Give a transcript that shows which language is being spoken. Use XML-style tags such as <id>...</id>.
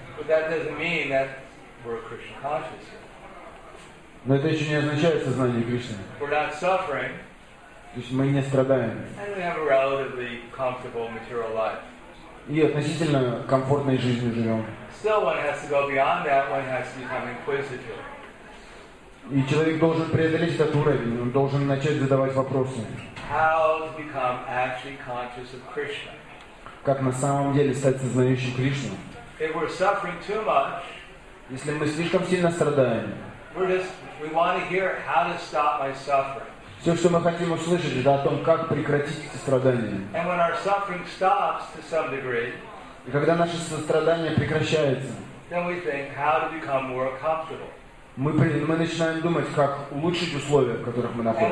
<en>But that doesn't mean that we're Krishna conscious.</en> <ru>Но это еще не означает сознание Кришны.</ru> <en>We're not suffering.</en> <ru>То есть мы не страдаем.</ru> <en>And we have a relatively comfortable material life.</en> <ru>И относительно комфортной жизнью живем.</ru> <en>Still, one has to go beyond that. One has to become inquisitive.</en> <ru>И человек должен преодолеть этот уровень, он должен начать задавать вопросы.</ru> <en>How to become actually conscious of Krishna?</en> <ru>Как на самом деле стать сознающим Кришну?</ru> <en>If we're suffering too much,</en> <ru>если мы слишком сильно страдаем,</ru> <en>we want to hear how to stop my suffering.</en> <ru>Все, что мы хотим услышать, это о том, как прекратить эти страдания.</ru> <en>And when our suffering stops to some degree,</en> <ru>и когда наше сострадание прекращается,</ru> <en>then we think how to become more comfortable.</en> <ru>Мы начинаем думать, как улучшить условия, в которых мы</ru>